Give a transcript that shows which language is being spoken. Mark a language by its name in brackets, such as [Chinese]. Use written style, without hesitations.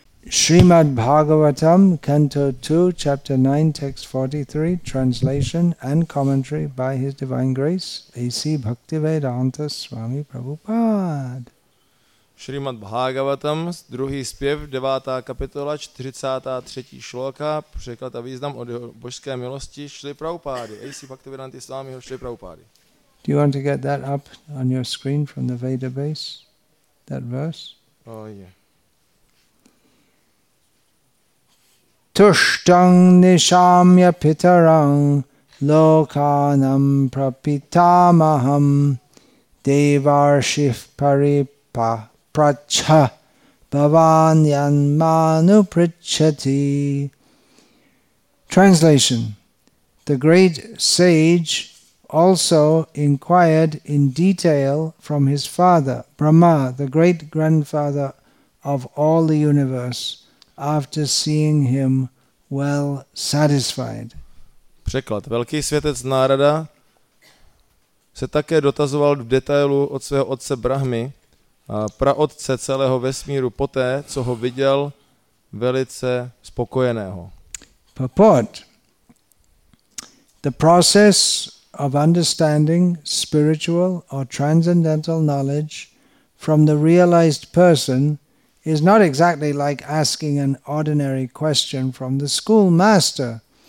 [English] Srimad Bhagavatam, Canto 2, Chapter 9, Text 43, Translation and Commentary by His Divine Grace, A.C. Bhaktivedanta Swami Prabhupada. [Czech] Srimad Bhagavatam, druhý zpěv, 9. kapitola, 43. šloka, překlad a význam od božské milosti, Šli Prabhupády. A.C. Bhaktivedanta Swami, Šli Prabhupády. [English] Do you want to get that up on your screen from the Veda base, that verse? Oh, yeah. [Sanskrit] Tushtang nishamya pitarang lokanam prapitamaham devarshif paripa pracha bhavanyan manu prichati. [English] Translation: the great sage also inquired in detail from his father, Brahma, the great grandfather of all the universe, after seeing him well satisfied. [Czech] Překlad. Velký světec Nárada se také dotazoval v detailu od svého otce Brahmy, praotce celého vesmíru, poté, co ho viděl velice spokojeného. [English] Purport. The process of understanding spiritual or transcendental knowledge from the realized person is not exactly like asking an ordinary question from the schoolmaster.